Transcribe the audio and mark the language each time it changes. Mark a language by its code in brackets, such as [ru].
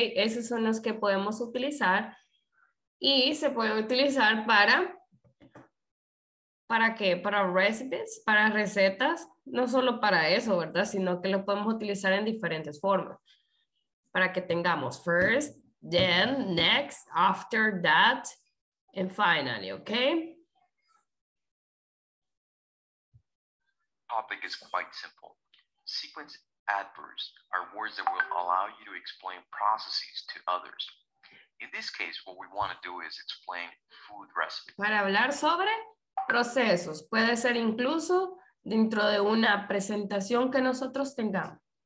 [es] Esos son los que podemos utilizar y se puede utilizar ¿para qué? Para recipes, para recetas, no solo para eso, ¿verdad? Sino que lo podemos utilizar en diferentes formas. Para que tengamos first, then, next, after that, and finally, okay? [en] Topic is quite simple. Sequence adverbs are words that will allow you to explain processes to others. In this case, what we want to do is explain food recipes. [es] Para hablar sobre procesos, puede ser incluso dentro de una presentación que nosotros tengamos.